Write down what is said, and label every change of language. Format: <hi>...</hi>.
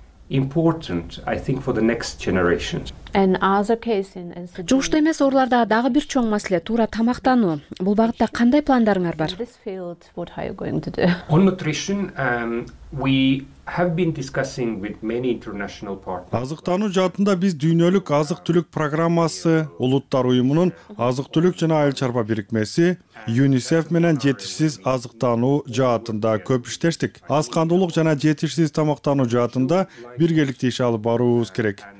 <en>important, I think, for the next generations. And as a case in NCD,</en> <ky>жугушту эмес ооруларда дагы бир чоң маселе туура тамактануу. Бул багытта кандай пландарыңар бар?</ky> <en>This field, what are you going to do? On nutrition, we have been discussing with many international partners.</en> <ky>Азыктануу жаатында биз дүйнөлүк азык-түлүк программасы, улуттар уюмунун азык-түлүк жана айыл чарба бирикмеси, UNICEF менен жетишсиз азыктануу жаатында көп иштештик. Аз кандуулук жана жетишсиз тамактануу жаатында биргеликте иш алып баруубуз керек.</ky>